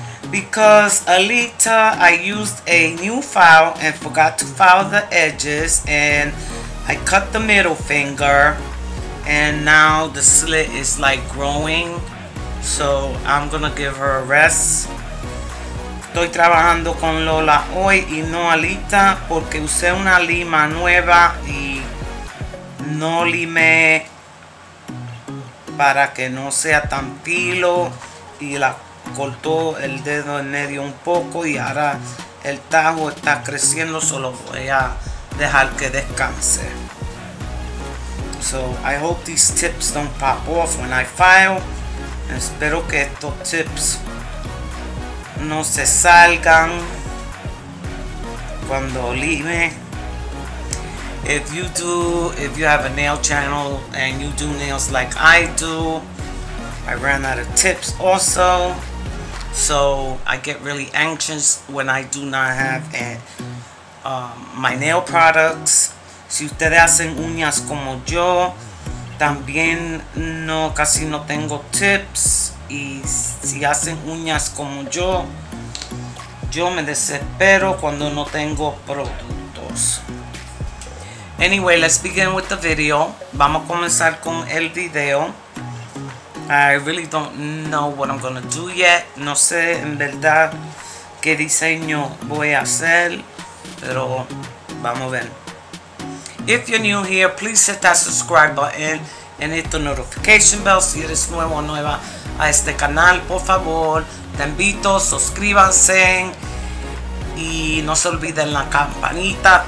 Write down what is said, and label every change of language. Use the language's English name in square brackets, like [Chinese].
[English] Because Alita, I used a new file and forgot to file the edges and I cut the middle finger and now the slit is like growing, so I'm gonna give her a rest. [Spanish] Estoy trabajando con Lola hoy y no Alita porque usé una lima nueva y no limé para que no sea tan filo y la cortó el dedo en medio un poco y ahora el tajo está creciendo, solo voy a dejar que descanse. [English] So I hope these tips don't pop off when I file. [Spanish] Espero que estos tips no se salgan cuando lime. [English] If you have a nail channel and you do nails like I do, I ran out of tips also. So I get really anxious when I do not have my nail products. [Spanish] Si ustedes hacen uñas como yo, también no, casi no tengo tips. Y si hacen uñas como yo, yo me desespero cuando no tengo productos. [English] Anyway, let's begin with the video. [Spanish] Vamos a comenzar con el video. [English] I really don't know what I'm gonna do yet. [Spanish] No sé en verdad qué diseño voy a hacer, pero vamos a ver. [English] If you're new here, please hit that subscribe button and hit the notification bell. [Spanish] Si eres nuevo o nueva a este canal, por favor, te invito, suscríbanse y no se olviden la campanita.